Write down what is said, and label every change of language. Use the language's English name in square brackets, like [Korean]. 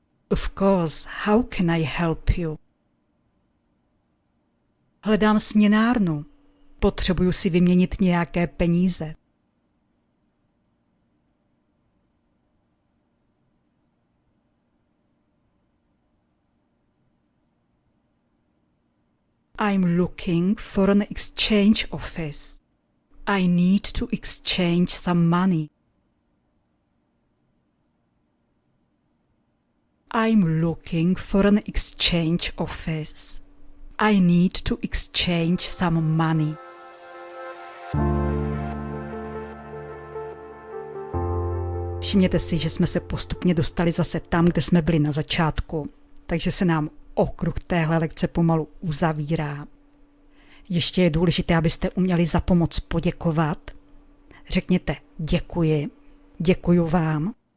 [English] Of course, how can I help you? [Czech] Hledám směnárnu. Potřebuju si vyměnit nějaké peníze. [English] I'm looking for an exchange office. I need to exchange some money. I'm looking for an exchange office. I need to exchange some money. [Czech] Všimněte si, že jsme se postupně dostali zase tam, kde jsme byli na začátku, takže se nám okruh téhle lekce pomalu uzavírá. Ještě je důležité, abyste uměli za pomoc poděkovat. Řekněte děkuji, děkuju vám.